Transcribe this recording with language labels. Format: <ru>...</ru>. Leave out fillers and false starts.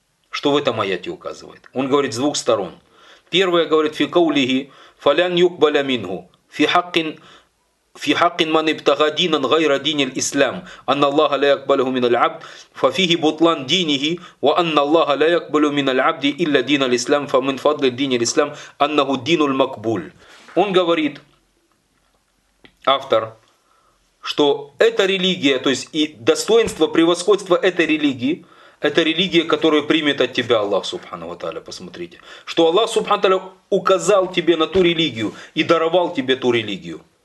<ru>Что в этом аяте указывает? Он говорит с двух сторон. Первое говорит</ru> <ar>«фи каулихи фалян юкбаля мингу фи хаккин». في حق من ابتغى دينا غير دين الإسلام أن الله لا يقبله من العبد ففيه بطلان دينه وأن الله لا يقبل من العبد إلا دين الإسلام فمن فضل دين الإسلام أنه دين المقبول.</ar> <ru>Он говорит, автор, что эта религия, то есть и достоинство, превосходство этой религии, это религия, которую примет от тебя Аллах Субхану ва Тааля. Посмотрите, что Аллах Субхану ва Тааля указал тебе на ту религию и даровал тебе ту религию.</ru>